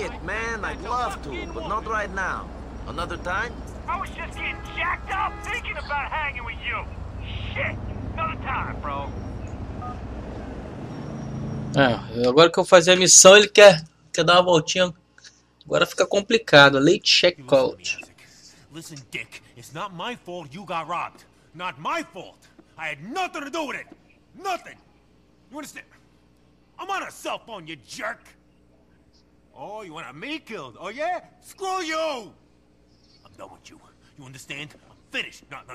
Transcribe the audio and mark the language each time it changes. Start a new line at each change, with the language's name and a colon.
English: Shit, man, I'd love to, but not right now. Another time? I was just getting jacked up thinking about hanging with you. Shit, another time, bro.
Portuguese: É, agora que eu fazer a missão, ele quer dar uma voltinha. Agora fica complicado.
English: Late checkout. Listen, Dick. It's not my fault you got robbed. Not my fault. I had nothing to do with it. Nothing. You understand? I'm on a cell phone, you jerk. Oh, you want a me killed? Oh yeah? Screw you! I'm done with you. You understand? I'm finished. No, no.